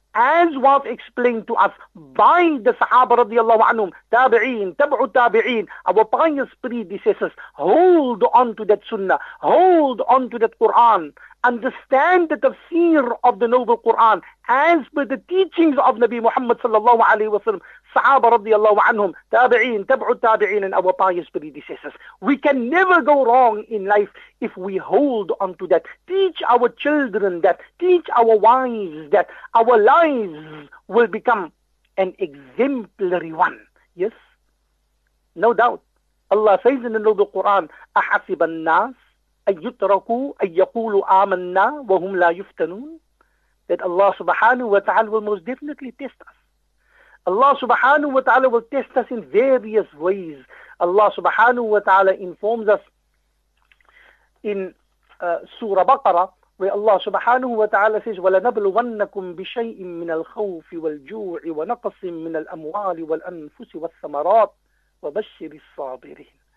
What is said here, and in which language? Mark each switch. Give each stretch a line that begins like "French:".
English: as was explained to us by the Sahaba radiallahu anhum, tabi'in, tabu tabi'in, our pious predecessors, hold on to that sunnah, hold on to that Quran, understand the tafsir of the noble Quran as per the teachings of Nabi Muhammad sallallahu alayhi wa sallam, Sahaba radiallahu anhum, tabi'in, tabu tabi'in, and our pious predecessors. We can never go wrong in life if we hold on to that. Teach our children that, teach our wives that, our lives will become an exemplary one. Yes? No doubt. Allah says in the Noble Quran,
Arabic: أَحَسِبَ النَّاسِ أَن يُتْرَكُوا أَن يَقُولُوا آمَنَّا وَهُمْ لَا يُفْتَنُونَ.
English: That Allah subhanahu wa ta'ala will most definitely test us. Allah subhanahu wa ta'ala will test us in various ways. Allah subhanahu wa ta'ala informs us in Surah Baqarah, where Allah subhanahu wa ta'ala says,
Arabic: وَلَنَبْلُوَنَّكُمْ بِشَيْءٍ مِّنَ الْخَوْفِ وَالْجُوعِ وَنَقَصٍ مِّنَ الْأَمْوَالِ وَالْأَنفُسِ وَالثَّمَرَاتِ وَبَشِّرِ الصَّابِرِينَ.